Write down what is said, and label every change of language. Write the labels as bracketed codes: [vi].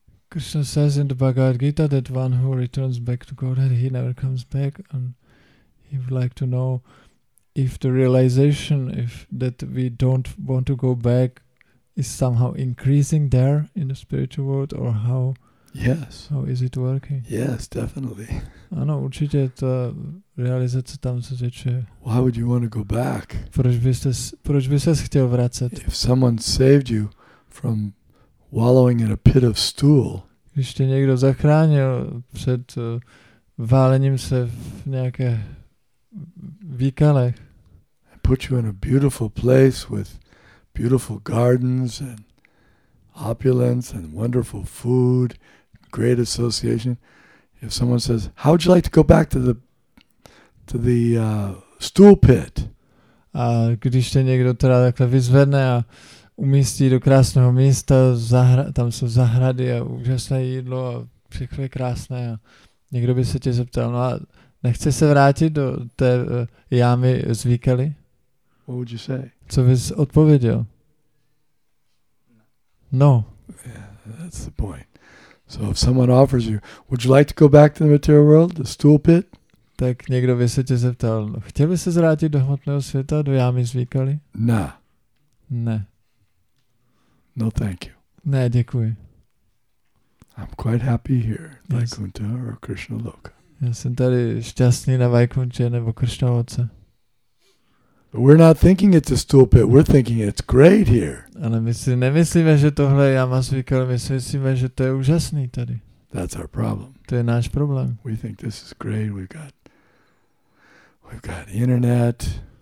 [en] Krishna says in the Bhagavad Gita that one who returns back to Godhead, he never comes back, and he would like to know if the realization if that we don't want to go back is somehow increasing there in the spiritual world, or how? Yes. How is it working? Yes, definitely. [cs] Ano, určitě ta realizace tam se děje. [en] Why would you want to go back? [cs] Proč bys chtěl vracet? [en] If someone saved you from wallowing in a pit of stool. [cs] Když tě někdo zachránil před válením se v nějaké výkalech. [en] Put you in a beautiful place with beautiful gardens and opulence and wonderful food, great association. If someone says, "How would you like to go back to the stool pit?" [cs] A když tě někdo teda takhle vyzvedne a umístí do krásného místa, tam jsou zahrady a úžasné jídlo a všechno je krásné. A někdo by se tě zeptal, no a nechce se vrátit do té jámy z výkaly? [en] What would you say? [cs] Co bys odpověděl? [en] No. Yeah, that's the point. So if someone offers you, would you like to go back to the material world, the stool pit? [cs] Tak někdo by se tě zeptal, no, chtěl by se vrátit do hmotného světa, do jámy z výkaly? [en] Nah. [cs] Ne. [en] No, thank you. [cs] Ne, děkuji. [en] I'm quite happy here, Vaikuntha or Krishna Loka. [cs] Já jsem tady šťastný na Vaikunče nebo Kršnovoce. [en] We're not thinking it's a stool pit. We're thinking it's great here. [cs] Ale my si nemyslíme, že tohle je Yamasvika, ale my si myslíme, že to je úžasný tady. [en] That's our problem. [cs] To je náš problém. [en] We think this is great. We've got internet.